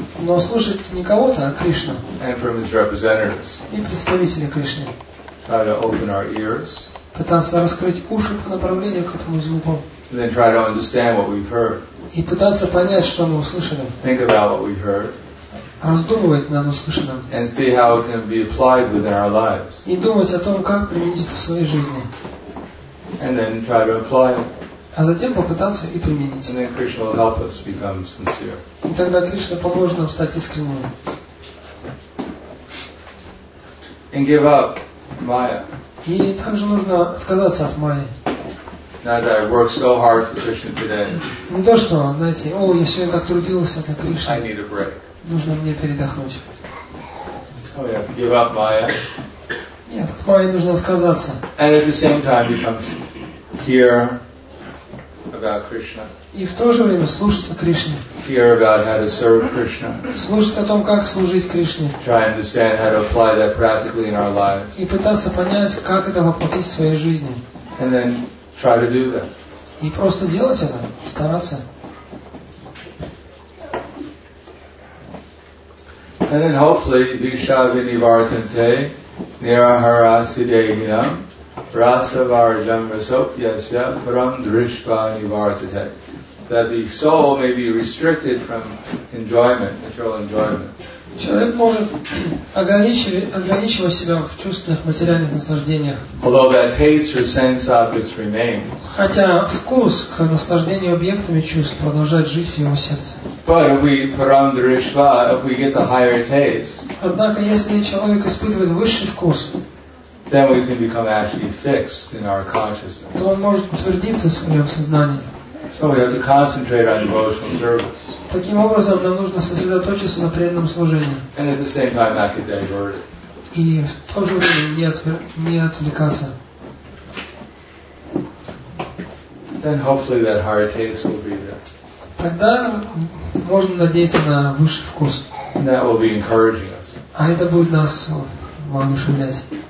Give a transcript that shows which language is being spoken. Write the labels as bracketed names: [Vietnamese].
[Russian] Но слушать не кого-то, а Кришну. [English] And from his representatives. [Russian] И представителя Кришны. [English] Try to open our ears. [Russian] Пытаться раскрыть уши по направлению к этому звуку. [English] And then try to understand what we've heard. [Russian] И пытаться понять, что мы услышали. [English] Think about what we've heard. [Russian] Раздумывать над услышанным. [English] And see how it can be applied within our lives. [Russian] И думать о том, как применить это в своей жизни. [English] And then try to apply it. [Russian] А затем попытаться и применить. [English] And then Krishna will help us become sincere. [Russian] И тогда Кришна поможет нам стать искренними. [English] And give up Maya. [Russian] И также нужно отказаться от Майи. [English] Not that I work so hard for Krishna today. [Russian] Не то, что, знаете, о, я сегодня так трудился для Кришны. [English] I need a break. [Russian] Нужно мне передохнуть. [English] Oh, you have to give up Maya. [Russian] Нет, от Майи нужно отказаться. [English] And at the same time becomes here about about Krishna. [Russian] И в то же время слушать о Кришне. [English] Hear about how to serve Krishna. [Russian] Слушать о том, как служить Кришне. [English] Try and understand how to apply that practically in our lives. [Russian] И пытаться понять, как это воплотить в своей жизни. [English] And then try to do that. [Russian] И просто делать это, стараться. [English] And then hopefully, [Sanskrit] Vishavinivartante, Nirahara Sidehina, Rasavarjamrasopyasya, Param Drishvanivartate. [English] That the soul may be restricted from enjoyment, material enjoyment. [Russian] Человек может ограничивать себя в чувственных материальных наслаждениях. [English] Although that taste or sense objects remains. [Russian] Хотя вкус к наслаждению объектами чувств продолжает жить в его сердце. [English] But if we param drishva, if we get the higher taste. [Russian] Однако если человек испытывает высший вкус, [English] then we can become actually fixed in our consciousness. [Russian] То он может утвердиться в своем сознании. [English] So we have to concentrate on devotional service. [Russian] Таким образом, нам нужно сосредоточиться на преданном служении. [English] And at the same time, not get diverted. [Russian] И в то же время не отвлекаться. [English] Then hopefully that higher taste will be there. [Russian] Тогда можно надеяться на высший вкус. [English] And that will be encouraging us. [Russian] А это будет нас воодушевлять.